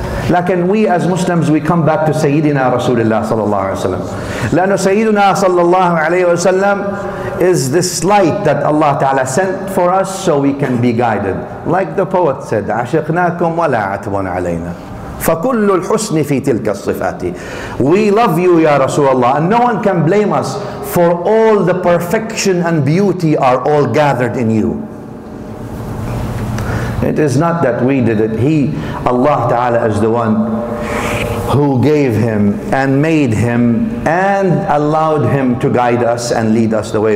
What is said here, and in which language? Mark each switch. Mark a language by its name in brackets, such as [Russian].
[English] Lakin we as Muslims, we come back to Sayyidina Rasulullah sallallahu alayhi wa sallam. Lano Sayyidina sallallahu alayhi wa sallam is this light that Allah Ta'ala sent for us so we can be guided. Like the poet said, [Arabic] عَشِقْنَاكُمْ وَلَا عَتْبٌ عَلَيْنَا فَكُلُّ الْحُسْنِ فِي تِلْكَ الصِّفَاتِ. [English] We love you, Ya Rasulullah, and no one can blame us, for all the perfection and beauty are all gathered in you. It is not that we did it. He, Allah Ta'ala, is the one who gave him and made him and allowed him to guide us and lead us the way.